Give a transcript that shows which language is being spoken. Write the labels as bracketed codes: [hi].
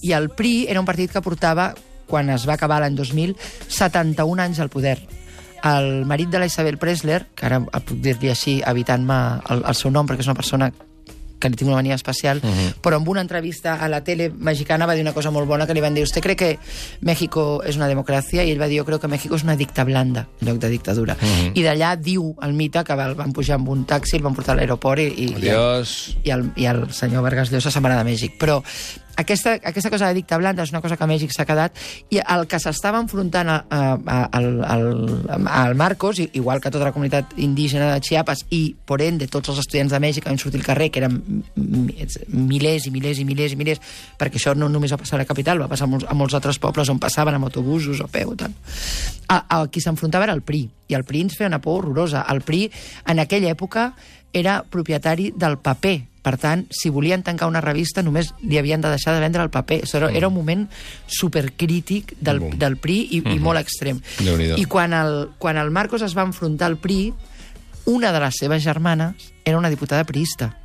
[ca] I el PRI era un partit que portava, quan es va acabar l'any 2000, 71 anys al poder. El marit de la Isabel Preisler, que ara puc dir-li així, evitant-me el seu nom, perquè és una persona que li tinc una mania especial, però en una entrevista a la tele mexicana va dir una cosa molt bona, que li van dir, [es] ¿usted cree que México es una democracia? [ca] I ell va dir, [es] yo creo que México es una dicta blanda, [ca] en lloc de dictadura. I d'allà diu el mite que van pujar amb un taxi, el van portar a l'aeroport i el senyor Vargas Llosa se'n va anar a Mèxic. Però aquesta cosa de dicta blanda és una cosa que a Mèxic s'ha quedat, i el que s'estava enfrontant al Marcos, igual que tota la comunitat indígena de Chiapas, i por ende tots els estudiants de Mèxic que van sortir al carrer, que eren milers i milers i milers i milers, perquè això no només va passar a la capital, va passar a molts altres pobles on passaven amb autobusos o peu, tant. El qui s'enfrontava era el PRI, i el PRI ens feia una por horrorosa. El PRI en aquella època era propietari del paper. Per tant, si volien tancar una revista, només li havien de deixar de vendre el paper. Era un moment supercrític del PRI i molt extrem. I quan el Marcos es va enfrontar al PRI, una de les seves germanes era una diputada priista.